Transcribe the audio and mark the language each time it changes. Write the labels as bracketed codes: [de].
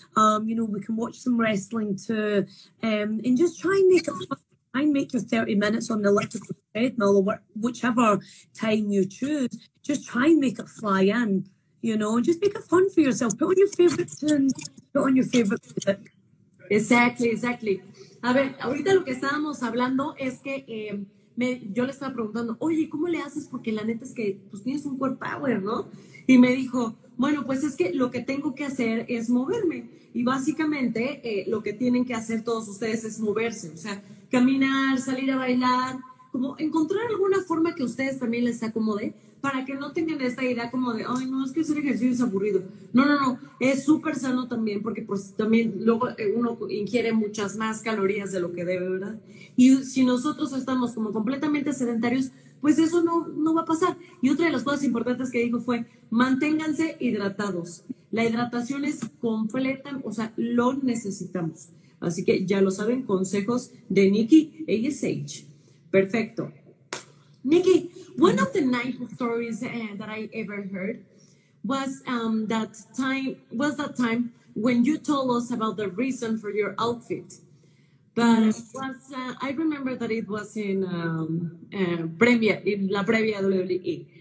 [en] You know, we can watch some wrestling too. And just try and make it fun. Try and make your 30 minutes on the elliptical treadmill or whichever time you choose. Just try and make it fly in, you know, and just make it fun for yourself. Put on your favorite tunes, put on your favorite music. Exactly, exactly. [es] A ver, ahorita lo que estábamos hablando es que yo le estaba preguntando, oye, ¿cómo le haces? Porque la neta es que pues tienes un core power, ¿no? Y me dijo, bueno, pues es que lo que tengo que hacer es moverme. Y básicamente lo que tienen que hacer todos ustedes es moverse, o sea, caminar, salir a bailar, como encontrar alguna forma que a ustedes también les acomode para que no tengan esta idea como de, ay, no, es que hacer ejercicio es aburrido. No, no, no, es súper sano también porque pues también luego uno ingiere muchas más calorías de lo que debe, ¿verdad? Y si nosotros estamos como completamente sedentarios, pues eso no va a pasar. Y otra de las cosas importantes que dijo fue, manténganse hidratados. La hidratación es completa, o sea, lo necesitamos. Así que ya lo saben, consejos de Nikki, A.S.H. Perfecto. [en] Nikki, one of the nice stories that I ever heard was that time when you told us about the reason for your outfit. But I remember that it was in Previa, in La Previa WWE.